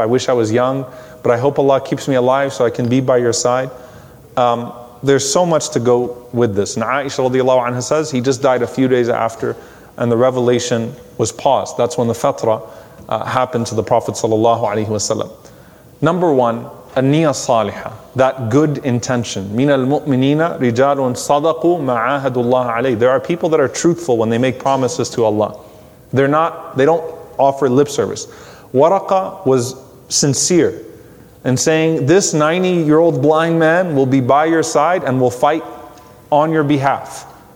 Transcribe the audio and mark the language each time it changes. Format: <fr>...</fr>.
<en>I wish I was young, but I hope Allah keeps me alive so I can be by your side. There's so much to go with this. And Aisha radiallahu anha says he just died a few days after, and the revelation was paused. That's when the fatrah happened to the Prophet sallallahu alaihi wasallam. Number one, an-niyya salihah, that good intention.</en> <ar>من المؤمنين رجال صدقوا ما عاهدوا الله عليه.</ar> <en>There are people that are truthful when they make promises to Allah. They don't offer lip service. Waraqa was sincere in saying, this 90-year-old blind man will be by your side and will fight on your behalf.</en>